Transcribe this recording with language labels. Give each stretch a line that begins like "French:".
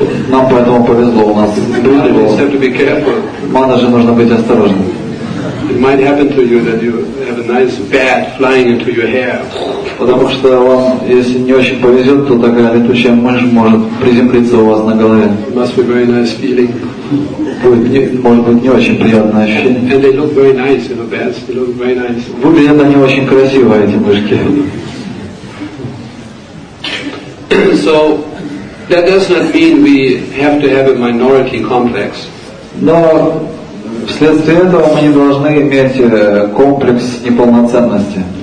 Russian: Нам поэтому повезло, у нас были волосы. Мана же нужно быть осторожным.
English: It might happen to you that you have a nice bat flying into your hair.
Russian: Потому что вам, если не очень повезет, то такая летучая мышь может приземлиться у вас на голове.
English: It must be a very nice feeling.
Russian: Может быть, не очень приятное ощущение.
English: And they look very nice, you know, bats. They look very nice.
Russian: Выглядят они очень красиво, эти мышки.
English: So that does not mean we have to have a minority complex.
Russian: Но вследствие этого мы не должны иметь комплекс неполноценности.